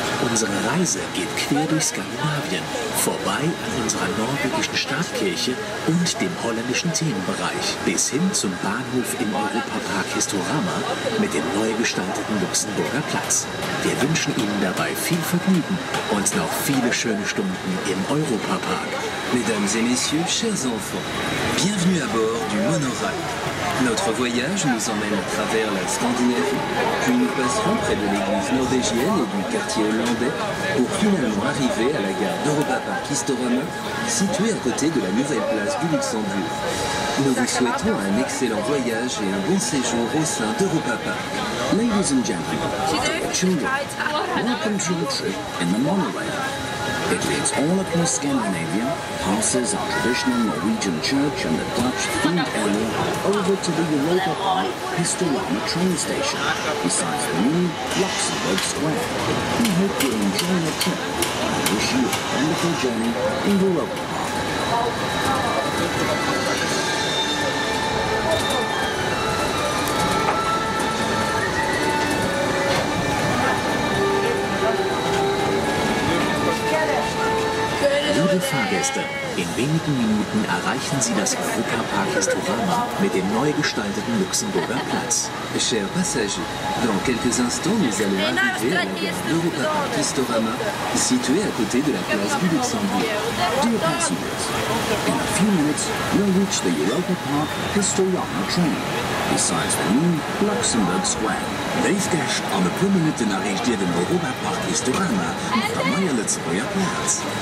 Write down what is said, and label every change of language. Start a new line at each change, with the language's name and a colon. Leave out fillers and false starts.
German: Unsere Reise geht quer durch Skandinavien, vorbei an unserer norwegischen Stadtkirche und dem holländischen Themenbereich, bis hin zum Bahnhof im Europapark Historama mit dem neu gestalteten Luxemburger Platz. Wir wünschen Ihnen dabei viel Vergnügen und noch viele schöne Stunden im Europapark.
French: Mesdames et Messieurs, chers enfants, bienvenue à bord du Monorail. Notre voyage nous emmène à travers la Scandinavie, puis nous passerons près de l'église norvégienne et du quartier hollandais pour finalement arriver à la gare d'Europapark Historama, située à côté de la nouvelle place du Luxembourg. Nous vous souhaitons un excellent voyage et un bon séjour au sein d'Europapark.
English: Ladies and gentlemen, children, welcome to your trip in the monorail. It leads all across Scandinavia, passes our traditional Norwegian church and the Dutch food area over to the Europa Park Historama train station, besides the new Luxembourg Square. We hope you enjoy your trip and wish you a wonderful journey in Europa Park.
German: Liebe Fahrgäste, in wenigen Minuten erreichen Sie das Europapark Historama mit dem neu gestalteten Luxemburger Platz.
French: Chers passagers, dans quelques instants, nous allons arriver à l'Europapark Historama, situé à côté de la place du Luxembourg.
English: Dear passengers, in a few minutes, we'll reach the Europapark Historama train, besides the new Luxembourg Square. Welfgast an der Promenade errichtet im Europapark Historama auf der Meier Lützbäuer Platz.